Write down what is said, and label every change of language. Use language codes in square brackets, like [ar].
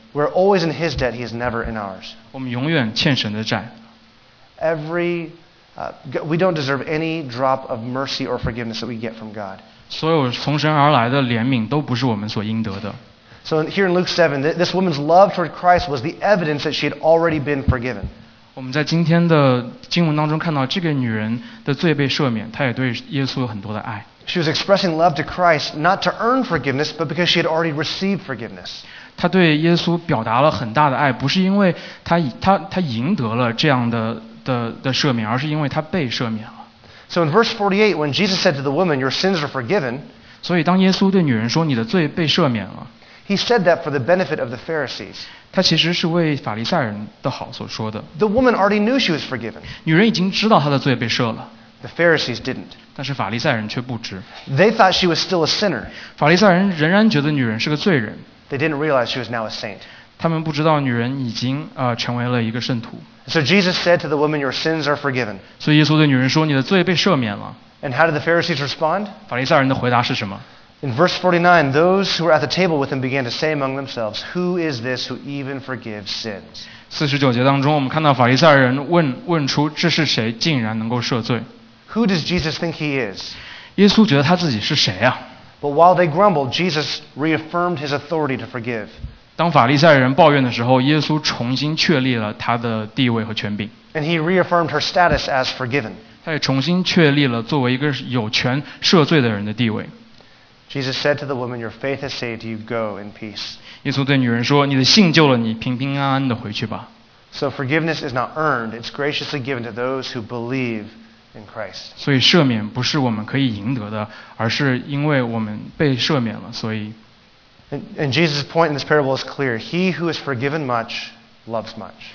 [en] We're always in His debt; He is never in ours. [zh] 我们永远欠神的债。 [en] We don't deserve any drop of mercy or forgiveness that we get from God. [zh] 所有从神而来的怜悯都不是我们所应得的。 [en] So here in Luke 7, this woman's love toward Christ was the evidence that she had already been forgiven. [zh] 我们在今天的经文当中看到，这个女人的罪被赦免，她也对耶稣有很多的爱。 [en] She was expressing love to Christ not to earn forgiveness, but because she had already received forgiveness. [zh] 她对耶稣表达了很大的爱，不是因为她赢得了这样的赦免，而是因为她被赦免了。 [en] So in verse 48, when Jesus said to the woman, "Your sins are forgiven," [zh] 所以当耶稣对女人说你的罪被赦免了， [en] He said that for the benefit of the Pharisees. [zh] 他其实是为法利赛人的好所说的。 [en] The woman already knew she was forgiven. [zh] 女人已经知道她的罪被赦了。 [en] The Pharisees didn't. [zh] 但是法利赛人却不知。 [en] They thought she was still a sinner. [zh] 法利赛人仍然觉得女人是个罪人。 [en] They didn't realize she was now a saint. [zh] 他们不知道女人已经成为了一个圣徒。 [en] So Jesus said to the woman, "Your sins are forgiven." [zh] 所以耶稣对女人说，你的罪被赦免了。 [en] And how did the Pharisees respond? [zh] 法利赛人的回答是什么？ [en] In verse 49, those who were at the table with him began to say among themselves, "Who is this who even forgives sins?" [zh] 49节当中，我们看到法利赛人问出，这是谁竟然能够赦罪？ [en] Who does Jesus think he is? [zh] 耶稣觉得他自己是谁啊？ [en] But while they grumbled, Jesus reaffirmed his authority to forgive. [zh] 当法利赛人抱怨的时候，耶稣重新确立了他的地位和权柄。 [en] And he reaffirmed her status as forgiven. [zh] 他也重新确立了作为一个有权赦罪的人的地位。 [en] Jesus said to the woman, "Your faith has saved you. Go in peace." [zh] 耶稣对女人说，你的信救了你，平平安安地回去吧。 [en] So forgiveness is not earned. It's graciously given to those who believe in Christ. [zh] 所以赦免不是我们可以赢得的，而是因为我们被赦免了，所以。 [en] And Jesus' point in this parable is clear. He who is forgiven much loves much.